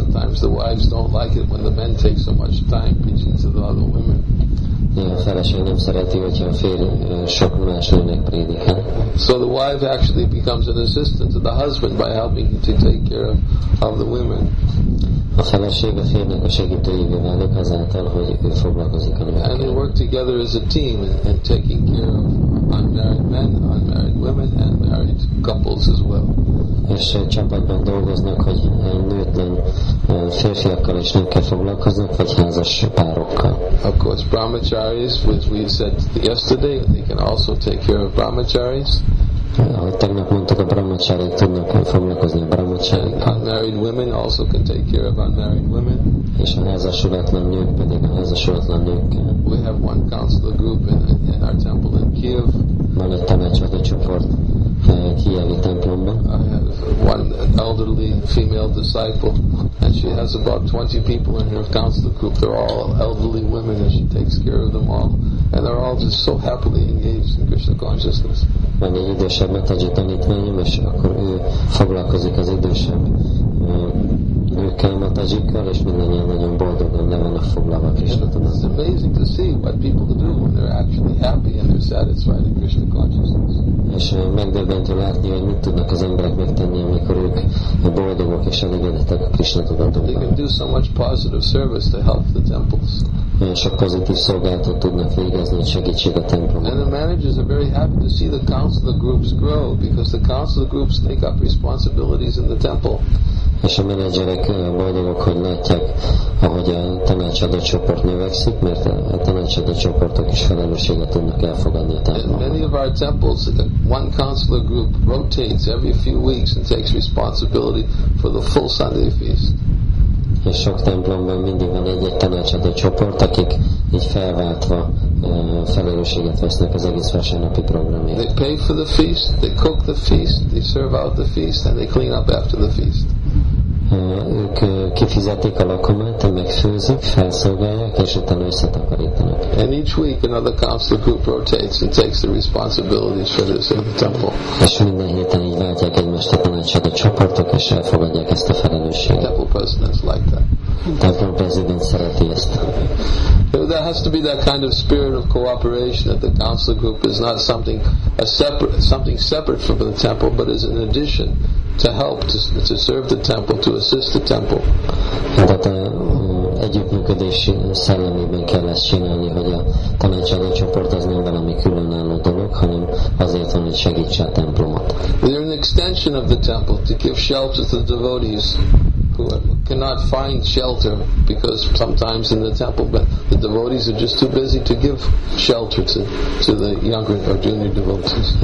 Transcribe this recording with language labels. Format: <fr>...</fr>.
<en>Sometimes the wives don't like it when the men take so much time preaching to the other women.</en> <hu>A feleség nem szereti, hogyha a férj sok más nőnek prédikál.</hu> <en>So the wife actually becomes an assistant to the husband by helping him to take care of the women.</en> <hu>A feleség a férjnek a segítőjévé válik azáltal, hogy ő foglalkozik a nőkkel.</hu> <en>And they work together as a team in taking care of unmarried men, unmarried women, and married couples as well.</en> <hu>És csapatban dolgoznak, hogy nőtlen férfiakkal és nőkkel foglalkoznak, vagy házas párokkal.</hu> <en>Of course, brahmacharis, which we said yesterday, they can also take care of brahmacharis.</en> <hu>Ahogy tegnap mondtuk, a brahmacharik tudnak foglalkozni a brahmacharikkal.</hu> <en>Unmarried women also can take care of unmarried women.</en> <hu>És a házasulatlan nők pedig a házasulatlan nőkkel.</hu> <en>We have one counselor group in our temple in Kiev.</en> <hu>Van egy tanácsadó csoport Kijevi templomban.</hu> <en>I have one elderly female disciple, and she has about 20 people in her counselor group. They're all elderly women, and she takes care of them all. And they're all just so happily engaged in Krishna consciousness.</en> <hu>Van egy idősebb metagyi tanítványom, és akkor ő foglalkozik az idősebb őkkel, metagyikkal, és mindannyian nagyon boldogan le vannak foglalva Krishna tudatban.</hu> <en>It's amazing to see what people do when they're actually happy and they're satisfied in Krishna consciousness.</en> <hu>És megdöbbentő látni, hogy mit tudnak az emberek megtenni, amikor ők boldogok és elégedettek a Krishna tudatban.</hu> <en>They can do so much positive service to help the temples.</en> <hu>Sok pozitív szolgálatot tudnak végezni, hogy segítsék a templomban.</hu> <en>And the managers are very happy to see the counselor groups grow, because the counselor groups take up responsibilities in the temple.</en> <hu>És a menedzserek boldogok, hogy látják, ahogy a tanácsadó csoport növekszik, mert a tanácsadó csoportok is felelősséget tudnak elfogadni a templomban.</hu> <en>Many of our temples, one counselor group rotates every few weeks and takes responsibility for the full Sunday feast.</en> <hu>És sok templomban mindig van egy-egy tanácsadó csoport, akik így felváltva felelősséget vesznek az egész vasárnapi programért.</hu> <en>They pay for the feast, they cook the feast, they serve out the feast, and they clean up after the feast.</en> <hu>Ők kifizetik a lakomát, megfőzik, felszolgálják, és utána összetakarítanak.</hu> <en>And each week another council group rotates and takes the responsibilities for this in the temple.</en> <hu>És minden héten így váltják egymást a tanácsadó csoportok, és elfogadják ezt a felelősséget.</hu> <en>Temple presidents like that. Temple president</en> <hu>szereti ezt.</hu> <en>There has to be that kind of spirit of cooperation, that the council group is not something a separate, something separate from the temple, but is an addition to help, to serve the temple, to assist the temple.</en> <hu>Tehát együttműködés szellemében kell ezt csinálni, hogy a tanácsadó csoport az nem valami különálló dolog, hanem azért van, hogy segítse a templomot.</hu> <en>They're an extension of the temple to give shelter to the devotees who cannot find shelter, because sometimes in the temple but the devotees are just too busy to give shelter to the younger or junior devotees.</en>